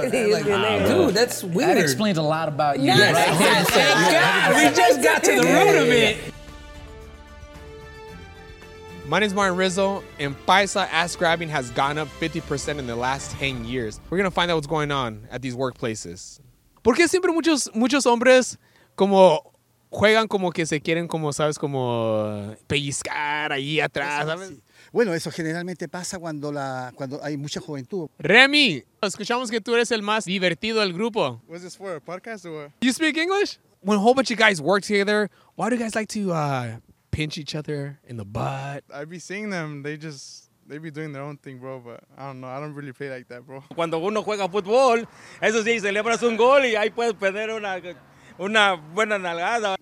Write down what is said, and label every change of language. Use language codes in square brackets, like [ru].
[en] Like, dude, that's weird. That explains a lot about you. Yes, right? Yes, thank God. We just got to the root of it. My name is Martin Rizzo, and paisa ass grabbing has gone up 50% in the last 10 years. We're going to find out what's going on at these workplaces. [es] ¿Por qué siempre muchos hombres como juegan como que se quieren como, sabes, como pellizcar ahí atrás, ¿sabes? Sí. Bueno, eso generalmente pasa cuando hay mucha juventud. Remy, escuchamos que tú eres el más divertido del grupo. [en] What is this for, a podcast or what? You speak English? When a whole bunch of guys work together, why do you guys like to pinch each other in the butt? I'd be seeing them. They be doing their own thing, bro. But I don't know. I don't really play like that, bro. [es] Cuando uno juega fútbol, eso sí, celebras un gol y ahí puedes perder una buena nalgada.